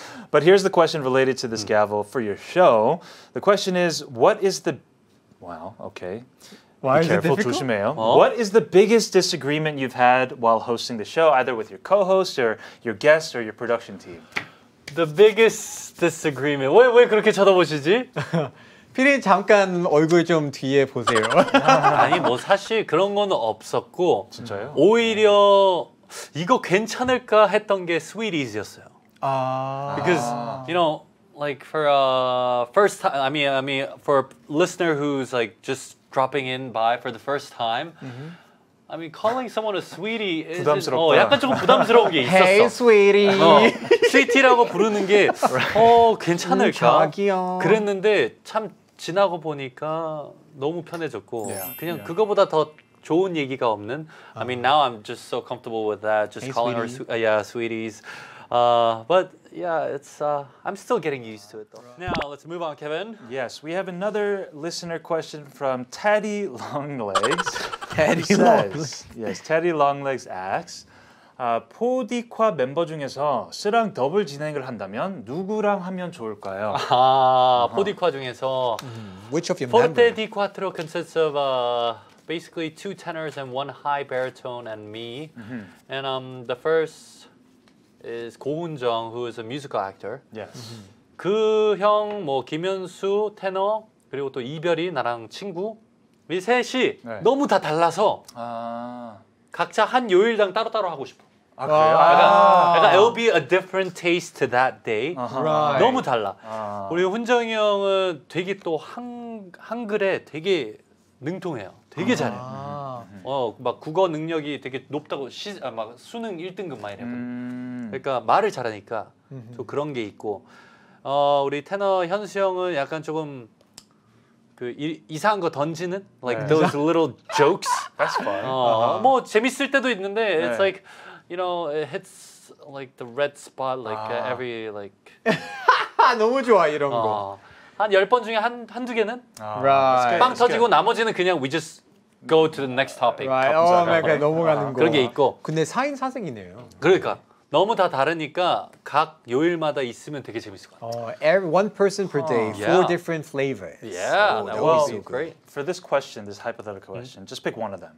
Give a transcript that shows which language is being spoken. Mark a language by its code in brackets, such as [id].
[en] But here's the question related to this gavel for your show. The question is, what is the... Wow, okay. Why be careful, [ko] 조심해요. [en] What is the biggest disagreement you've had while hosting the show, either with your co-host or your guest or your production team? The biggest disagreement. [ko] 왜 그렇게 쳐다보시지? 피디님 잠깐 얼굴 좀 뒤에 보세요. 아니 뭐 사실 그런 건 없었고 진짜요? 오히려 이거 괜찮을까 했던 게 스위리즈였어요. 아 [en] Because you know like for a first time I mean for a listener who's like just dropping in by for the first time. Mm-hmm. I mean calling someone a sweetie is [ko] 부담스럽다. 어 약간 조금 부담스러운 게 있었어. [en] Hey sweetie. 어. [ko] 스위티라고 부르는 게 어 괜찮을까? 자기야. 그랬는데 참 지나고 보니까 너무 편해졌고 [en] yeah. [ko] 그냥 [en] yeah. [ko] 그거보다 더 좋은 얘기가 없는 [en] I mean now I'm just so comfortable with that just hey, calling sweetie. Her yeah sweeties. But yeah, it's I'm still getting used to it though. Now let's move on, Kevin. Yes, we have another listener question from Teddy Longlegs. Teddy Longlegs. Yes, Teddy Longlegs asks, [ko] 포디콰 멤버 중에서 쓰랑 더블 진행을 한다면 누구랑 하면 좋을까요? 아, uh-huh. 포디콰 중에서 [en] Which of your members? 포디 콰트로 consists of basically two tenors and one high baritone and me. Mm-hmm. And the first is 고운정, who is a musical actor. Yes. [ko] 그 형, 뭐 김현수 테너 그리고 또 이별이 나랑 친구 우리 셋이 네. 너무 다 달라서 아. 각자 한 요일당 따로따로 하고 싶어. 아 그래요? [en] 약간 it'll be a different taste to that day. Uh-huh. Right. [ko] 너무 달라. 우리 훈정이 형은 되게 또 한글에 되게 능통해요. 되게 잘해. 아. 막 국어 능력이 되게 높다고 막 수능 1등급만 이래. 그러니까 말을 잘하니까 또 그런 게 있고 우리 테너 현수 형은 약간 조금 그 이상한 거 던지는 like 네. [en] those little jokes. That's fun. [ko] 뭐 재밌을 때도 있는데 네. [en] it's like you know it hits like the red spot like 아. Every like [ko] 너무 좋아 이런 거. 한 열 번 중에 한두 개는 [en] right. [ko] 빵 터지고 나머지는 그냥 [en] we just go to the next topic. Right. [ko] 어, 그러니까 넘어가는 거. 그런 게 있고. 근데 4인 4색이네요. 그러니까 너무 다 다르니까 각 요일마다 있으면 되게 재밌을 것 같아요. [en] Every one person per day, four yeah. different flavors. Yeah. Oh, that would be so great. For this question, this hypothetical question, just pick one of them.